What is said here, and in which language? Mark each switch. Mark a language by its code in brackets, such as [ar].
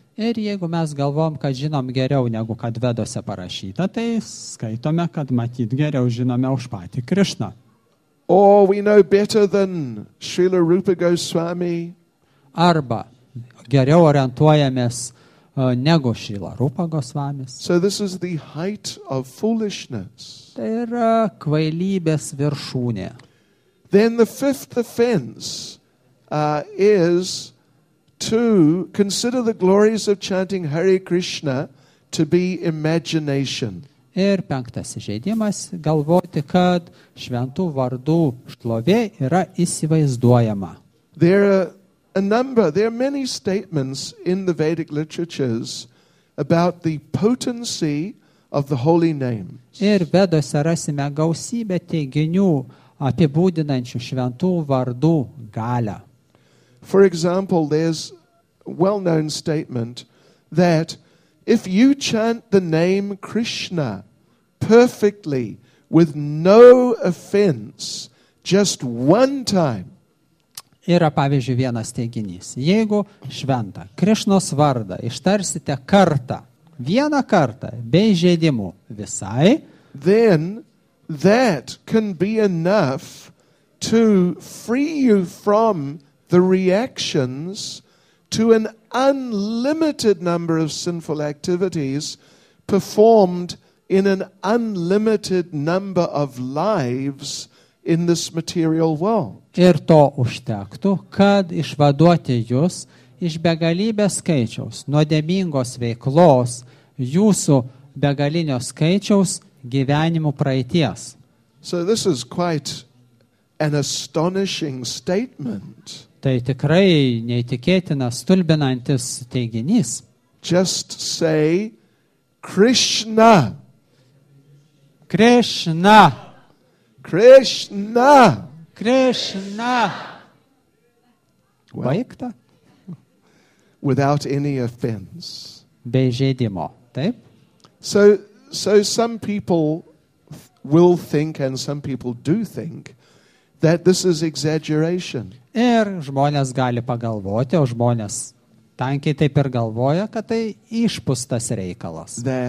[lt] Ir jeigu mes galvom, kad žinom geriau negu kad veduose parašyta, tai skaitome, kad matyt geriau žinome už patį Krishna. [en] Or we know better than Srila Rupa Goswami. [lt] Arba geriau orientuojamės negu Srila Rupa Goswamis. [en] So this is the height of foolishness. [lt] Tai yra kvailybės viršūnė. [en] Then the fifth offense is to consider the glories of chanting Hare Krishna to be imagination. [lt] Ir penktas įžeidimas – galvoti, kad šventų vardų šlovė yra įsivaizduojama. [en] There are many statements in the Vedic literatures about the potency of the holy names. [lt] Ir vedose rasime gausybę teiginių apibūdinančių šventų vardų galę. [en] For example, there's well-known statement that if you chant the name Krishna perfectly with no offense just one time. [lt] Yra pavyzdžiui vienas teiginys. Jeigu šventą Krišnos vardą ištarsite kartą, vieną kartą, be įžeidimų visai, [en] then that can be enough to free you from the reactions to an unlimited number of sinful activities performed in an unlimited number of lives in this material world. [lt] Ir to užtektų, kad išvaduoti jūs iš begalybės skaičiaus, nuodėmingos veiklos, jūsų begalinio skaičiaus gyvenimų praeities. [en] So this is quite an astonishing statement. [lt] Tai tikrai neįtikėtinas, stulbinantis teiginys. [en] Just say Krishna. [lt] Krishna. [en] Krishna. [lt] Krishna. Baigta. [en] Without any offense. [lt] Be įžeidimo, taip? [en] So some people will think and some people do think that this is exaggeration. [lt] Ir žmonės gali pagalvoti, o žmonės tankiai taip ir galvoja, kad tai išpustas reikalas.